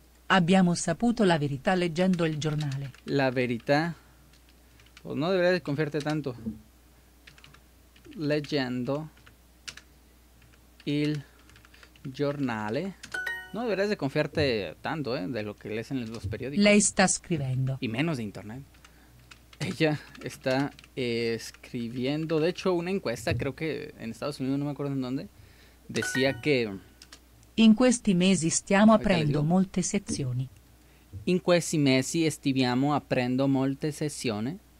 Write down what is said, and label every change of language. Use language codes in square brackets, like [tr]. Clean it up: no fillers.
[it] Abbiamo saputo la verità leggendo il giornale. La verità. [es] Pues no deberías confiarte tanto. [it] Leggendo il giornale. [es] No deberías confiarte tanto, de lo que lees en los periódicos. [it] Lei sta scrivendo. [es] Y menos de internet. Ella está escribiendo. De hecho, una encuesta, creo que en Estados Unidos, no me acuerdo en dónde, decía que... [it] In questi mesi stiamo aprendo molte sezioni. In questi mesi stiamo aprendo molte sezioni.